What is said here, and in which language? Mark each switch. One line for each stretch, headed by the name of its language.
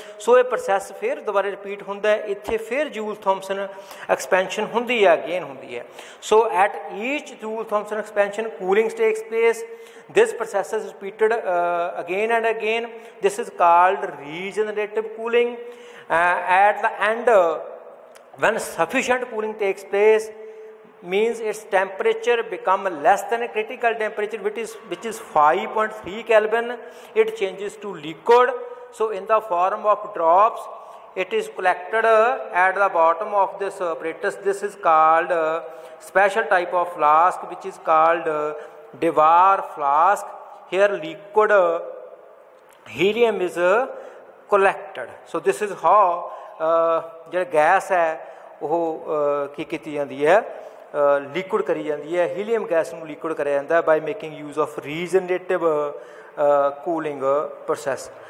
Punjabi: ਸੋ ਇਹ ਪ੍ਰੋਸੈਸ ਫਿਰ ਦੁਬਾਰਾ ਰਿਪੀਟ ਹੁੰਦਾ, ਇੱਥੇ ਫਿਰ ਜੂਲ ਥੋਮਸਨ ਐਕਸਪੈਂਸ਼ਨ ਹੁੰਦੀ ਹੈ, ਅਗੇਨ ਹੁੰਦੀ ਹੈ।
English: So at each Joule Thomson expansion cooling takes place, this process is repeated again and again, this is called regenerative cooling. At the end when sufficient cooling takes place means its temperature become less than a critical temperature which is 5.3 Kelvin, it changes to liquid. So in the form of drops it is collected at the bottom of this apparatus. This is called special type of flask which is called Dewar flask. Here liquid helium is collected. So this is how
Punjabi: jada gas hai oh ki kiti jandi hai liquid ਕਰੀ ਜਾਂਦੀ ਹੈ, helium gas ਨੂੰ liquid ਕਰਿਆ ਜਾਂਦਾ
English: By making use of regenerative cooling process.